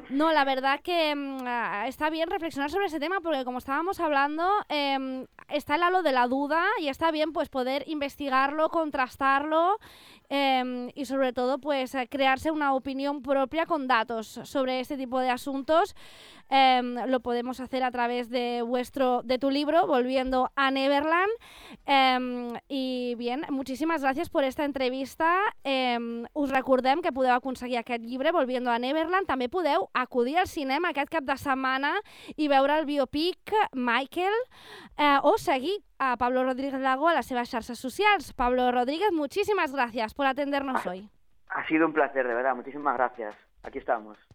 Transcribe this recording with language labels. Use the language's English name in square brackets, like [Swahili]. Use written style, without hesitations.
[Spanish] No, la verdad que está bien reflexionar sobre ese tema, porque como estábamos hablando, está el halo de la duda y está bien pues poder investigarlo, contrastarlo, y sobre todo pues crearse una opinión propia con datos sobre este tipo de asuntos. Lo podemos hacer a través de tu libro Volviendo a Neverland. Y bien, muchísimas gracias por esta entrevista. [Catalan] Us recordem que podeu aconseguir aquest llibre, Volviendo a Neverland. També podeu acudir al cinema aquest cap de setmana i veure el biopic Michael, o seguir a Pablo Rodríguez Lago a les seves xarxes socials. [Spanish] Pablo Rodríguez, muchísimas gracias por atendernos hoy. Ha sido un placer, de verdad. Muchísimas gracias. Aquí estamos.